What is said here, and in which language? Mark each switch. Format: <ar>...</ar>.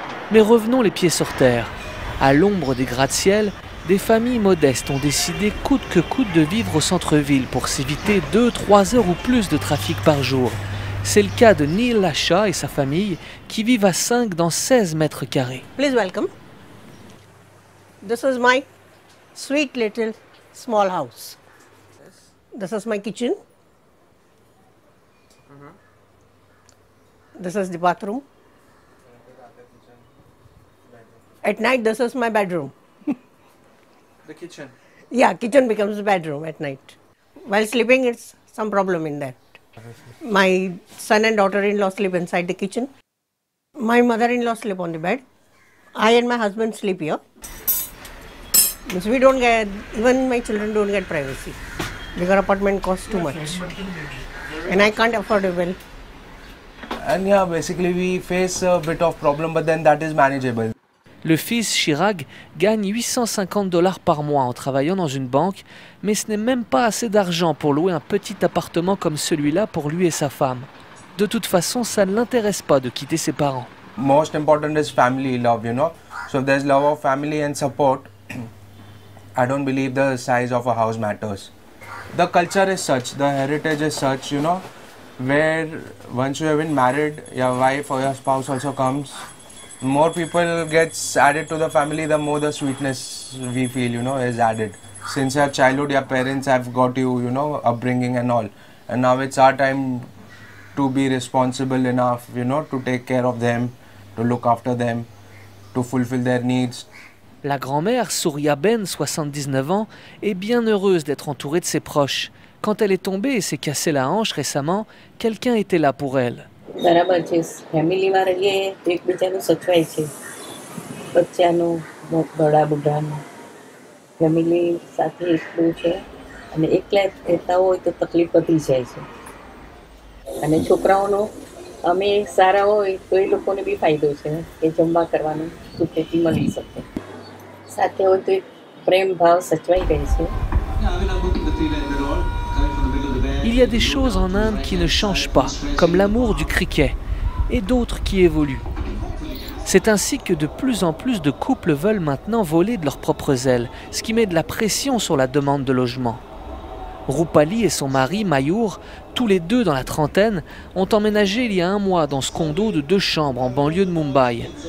<fr>Mais revenons les pieds sur terre. À l'ombre des gratte-ciels, des familles modestes ont décidé coûte que coûte de vivre au centre-ville pour s'éviter 2-3 heures ou plus de trafic par jour. C'est le cas de Neil Lasha et sa famille qui vivent à 5 dans 16 mètres carrés.</fr> <en>Please welcome. This is my sweet little small house. This is my kitchen. This is the bathroom. At night, this is my bedroom. The kitchen? Yeah, kitchen becomes the bedroom at night. While sleeping, it's some problem in that. My son and daughter-in-law sleep inside the kitchen. My mother-in-law sleep on the bed. I and my husband sleep here. Because we don't get, even my children don't get privacy. Because apartment costs too much. And I can't afford a bill. And yeah, basically we face a bit of problem, but then that is manageable.</en> <fr>Le fils Chirag gagne 850 dollars par mois en travaillant dans une banque, mais ce n'est même pas assez d'argent pour louer un petit appartement comme celui-là pour lui et sa femme. De toute façon, ça ne l'intéresse pas de quitter ses parents.</fr> <en>Most important is family love, you know. So if there's love of family and support, I don't believe the size of a house matters. The culture is such, the heritage is such, you know, where once you have been married, your wife or your spouse also comes. More people gets added to the family, the more the sweetness we feel, you know, is added. Since your childhood, your parents have got you, you know, upbringing and all. And now it's our time to be responsible enough, you know, to take care of them, to look after them, to fulfill their needs.</en> <fr>La grand-mère, Surya Ben, 79 ans, est bien heureuse d'être entourée de ses proches. Quand elle est tombée et s'est cassée la hanche récemment, quelqu'un était là pour elle.</fr> <gu>બરાબર છે, ફેમિલીમાં રહીએ તો એકબીજાનું સચવાય છે, બચ્ચાનું દોડા બુઢામાં family સાથે એકલું છે અને એકલા રહેતા હોય તો તકલીફ વધી જાય છે અને છોકરાઓનો અમે સારા હોય તો એ લોકોને બી ફાયદો છે કે જમવા કરવાનું સુખેથી મળી શકે, સાથે હોય તો એક પ્રેમ ભાવ સચવાઈ જાય છે.</gu> <fr>Il y a des choses en Inde qui ne changent pas, comme l'amour du cricket, et d'autres qui évoluent. C'est ainsi que de plus en plus de couples veulent maintenant voler de leurs propres ailes, ce qui met de la pression sur la demande de logement. Rupali et son mari Mayur, tous les deux dans la trentaine, ont emménagé il y a un mois dans ce condo de 2 chambres en banlieue de Mumbai.</fr>